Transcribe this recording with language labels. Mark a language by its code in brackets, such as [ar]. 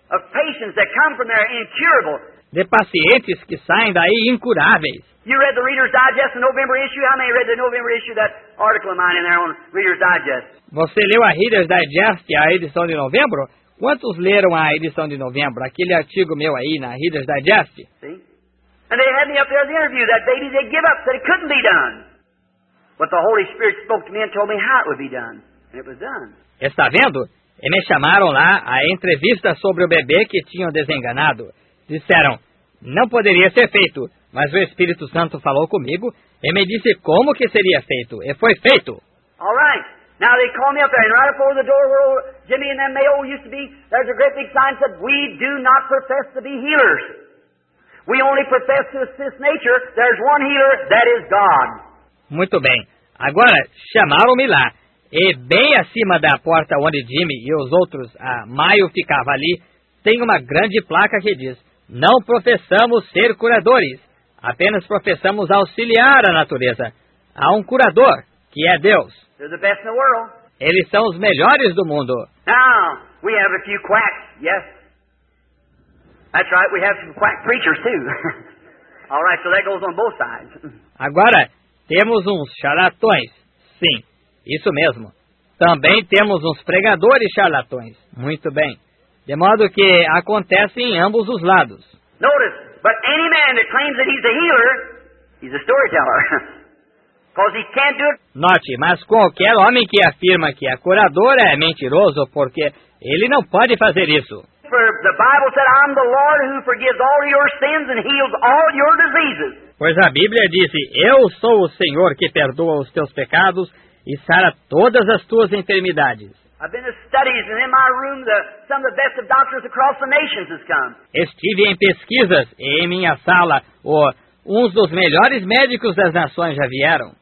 [en] Of patients that come from there incurable. [pt] De pacientes que saem daí incuráveis. [en] You read the Reader's Digest, the November issue? How many read the November issue, that article of mine in there on Reader's Digest? [pt] Você leu a Reader's Digest, a edição de novembro? Quantos leram a edição de novembro, aquele artigo meu aí na Reader's Digest? [en] See? And they had me up there to interview that baby. They gave up, said it couldn't be done. But the Holy Spirit spoke to me and told me how it would be done. And it was done. [pt] Está vendo? E me chamaram lá a entrevista sobre o bebê que tinham desenganado. Disseram, não poderia ser feito. Mas o Espírito Santo falou comigo e me disse como que seria feito. E foi feito. [en] All right. Now they call me up there. And right before the door where Jimmy and them Mayo used to be, there's a great big sign that we do not profess to be healers. We only profess to assist nature. There's one healer, that is God. [pt] Muito bem. Agora, chamaram-me lá. E bem acima da porta onde Jimmy e os outros, a Mayo, ficava ali, tem uma grande placa que diz, não professamos ser curadores. Apenas professamos auxiliar a natureza. Há um curador, que é Deus. [en] They're the best in the world. [pt] Eles são os melhores do mundo. [en] Now, we have a few quacks, yes. That's right, we have some quack preachers too. All right, so that goes on both sides. [pt] Agora, temos uns charlatões. Sim, isso mesmo. Também temos uns pregadores charlatões. Muito bem. De modo que acontece em ambos os lados. [en] Notice. But any man that claims that he's a healer, he's a storyteller. Because he can't do it. [pt] Note, mas qualquer homem que afirma que é curador é mentiroso, porque ele não pode fazer isso. [en] For the Bible said, I'm the Lord who forgives all your sins and heals all your diseases. [pt] Pois a Bíblia diz, eu sou o Senhor que perdoa os teus pecados e sara todas as tuas enfermidades. [en] I've been to studies, and in my room, some of the best of doctors across the nations has come. [pt] Estive em pesquisas, e em minha sala, uns dos melhores médicos das nações já vieram.